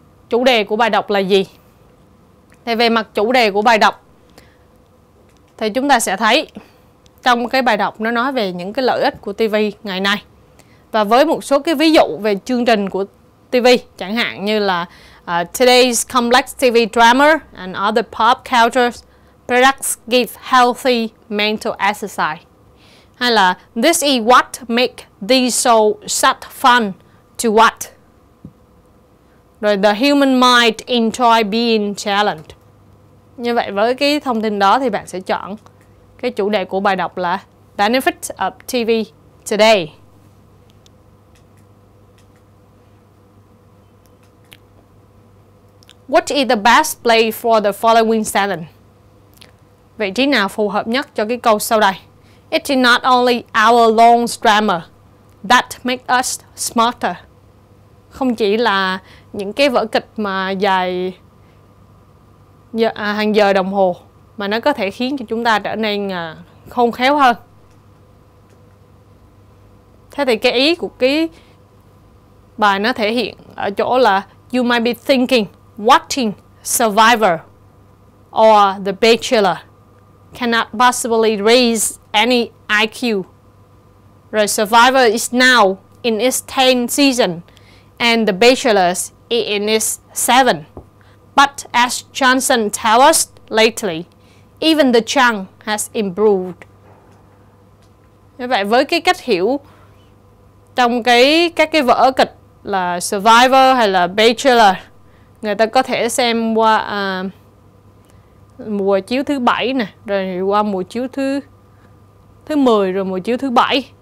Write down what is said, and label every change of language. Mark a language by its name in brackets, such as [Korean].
[Vietnamese] Chủ đề của bài đọc là gì? Thì về mặt chủ đề của bài đọc thì chúng ta sẽ thấy trong cái bài đọc nó nói về những cái lợi ích của TV ngày nay. Và với một số cái ví dụ về chương trình của TV, chẳng hạn như là [English] today's complex TV drama and other pop culture products give healthy mental exercise. [Vietnamese] Hay là [English] this is what make these show such fun to watch. [Vietnamese] Rồi [English] the human mind enjoy being challenged. [Vietnamese] Như vậy với cái thông tin đó thì bạn sẽ chọn cái chủ đề của bài đọc là [English] benefits of TV today. What is the best play for the following sentence? [Vietnamese] Vị trí nào phù hợp nhất cho cái câu sau đây? [English] It is not only our long drama that makes us smarter. [Vietnamese] Không chỉ là những cái vở kịch mà dài hàng giờ đồng hồ mà nó có thể khiến cho chúng ta trở nên khôn khéo hơn. Thế thì cái ý của cái bài nó thể hiện ở chỗ là [English] you might be thinking watching Survivor or The Bachelor cannot possibly raise any IQ. Right, Survivor is now in its 10th season and The Bachelor is in its 7th. But as Johnson tells us lately, even the chunk has improved. [Vietnamese] Như vậy với cái cách hiểu trong các cái vở kịch là Survivor hay là Bachelor, người ta có thể xem qua mùa chiếu thứ 7 nè, rồi qua mùa chiếu thứ 10, rồi mùa chiếu thứ 7.